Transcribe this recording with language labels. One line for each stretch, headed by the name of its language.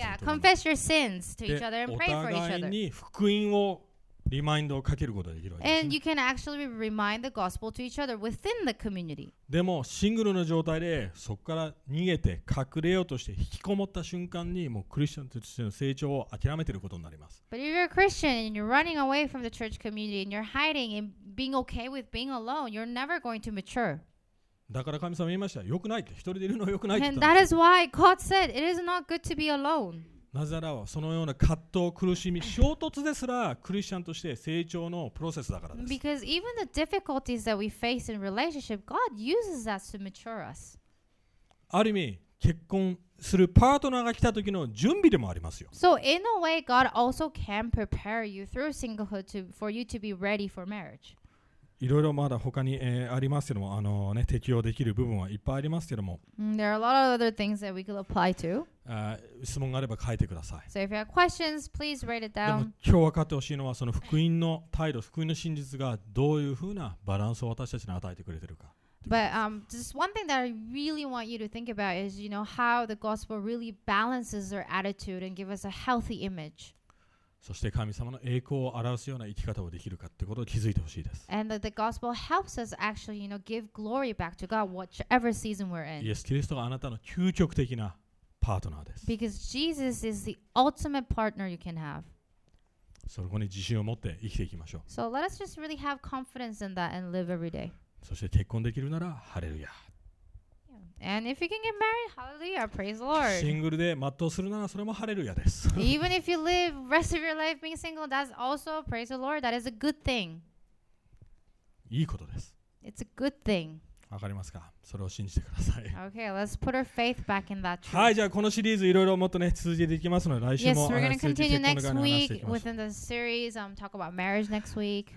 English: Yeah, confess your sins to each other and pray for each other.
Japanese: お互いに福音をリマインドをかけることができるわけです。
English: And you can actually remind the gospel to each other within the community.
Japanese: でも、シングルの状態でそこから逃げて隠れようとして引きこもった瞬間にもうクリスチャンとしての成長を諦めていることになります。
English: But if you're a Christian and you're running away from the church community and you're hiding and being okay with being alone, you're never going to mature.
Japanese: だから神様言いました。良くないって。一人でいるのは良くないって。
English: And that is why God said it is not good to be alone.
Japanese: なぜならそのような葛藤、苦しみ、衝突ですらクリスチャンとして成長のプロセスだからです。
English: Because even the difficulties that we face in relationship, God uses that to mature us.
Japanese: ある意味、結婚するパートナーが来た時の準備でもありますよ。
English: So in a way, God also can prepare you through singlehood to, for you to be ready for marriage.
Japanese: いろいろまだ他に、ありますけども、適用できる部分はいっぱいありますけども。
English: There are a lot of other things that we could apply to.
Japanese: 質問があれば書いてください。
English: So if you have questions, please write it down.
Japanese: でも今日分かってほしいのはその福音の態度、福音の真実がどういうふうなバランスを私たちに与えてくれてるか。
English: But just one thing that I really want you to think about is, you know, how the gospel really balances our attitude and give us a healthy image.
Japanese: そして神様の栄光を表すような生き方をできるかってことを気づいてほしいです。
English: And that the gospel helps us actually, you know, give glory back to God whichever season we're in.
Japanese: イエス・キリストがあなたの究極的な
English: Because Jesus is the ultimate partner you can have.
Japanese: そこに自信を持って生きていきましょう。
English: So let us just really have confidence in that and live every day.
Japanese: そして結婚できるならハレルヤ。
English: And if you can get married, hallelujah, praise the Lord.
Japanese: シングルで全うするならそれもハレルヤです。
English: Even if you live rest of your life being single, that's also praise the Lord. That is a good thing.
Japanese: いいことです。
English: It's a good thing.
Japanese: わかりますか。それを信じてください。
English: Okay, let's put our faith back in that truth.
Japanese: はい、じゃあこのシリーズいろいろもっとね続けていきますので来週も。
English: Yes, we're gonna continue next week within the series. Talk about marriage next week.